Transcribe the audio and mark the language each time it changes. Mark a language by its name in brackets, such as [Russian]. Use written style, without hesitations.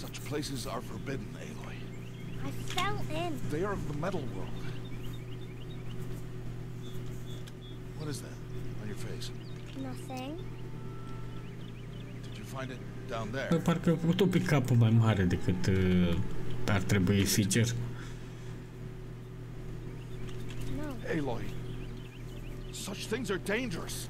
[English] Places are forbidden, Aloy. I fell in. They are of the metal world. What is that on your face? Nothing. Did you find it down there? [Romanian] Păi parcă a făcut un pic capul mai mare decât ar trebui, sincer. [English] No. Aloy, such things are dangerous.